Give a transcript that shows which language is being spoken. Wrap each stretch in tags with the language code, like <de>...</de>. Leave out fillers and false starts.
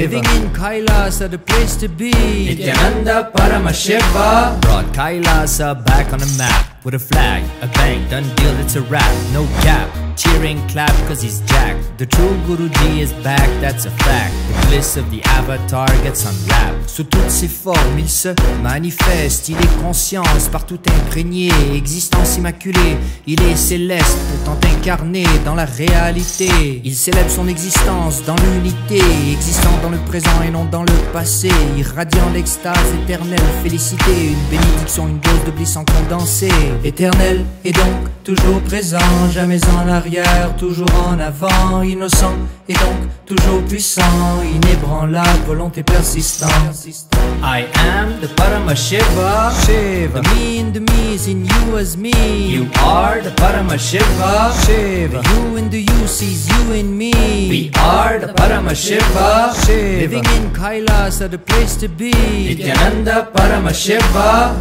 <en>Living in Kailasa, the place to be. Nithyananda Paramashiva. Brought Kailasa back on the map. With a flag, a bank, done deal, it's a wrap. No cap, cheering, clap, cause he's jacked. The true Guruji is back, that's a fact. The bliss of the avatar gets unwrapped.</en> <fr>Sous toutes ses formes, il se manifeste. Il est conscience, partout imprégné. Existence immaculée, il est céleste. Pourtant incarné dans la réalité. Il célèbre son existence dans l'unité. Existant dans le présent et non dans le passé. Irradiant l'extase éternelle, félicité. Une bénédiction, une dose de bliss en condensé. Éternel et donc toujours présent, jamais en arrière, toujours en avant. Innocent et donc toujours puissant, inébranlable, volonté persistante.</fr> <en>I am the Paramashiva. Shiva. The me in the me is in you as me. You are the Paramashiva. Shiva. The you in the you sees you in me. We are the Paramashiva. Shiva. Living in Kailasa, the place to be. Nithyananda Paramashiva.</en>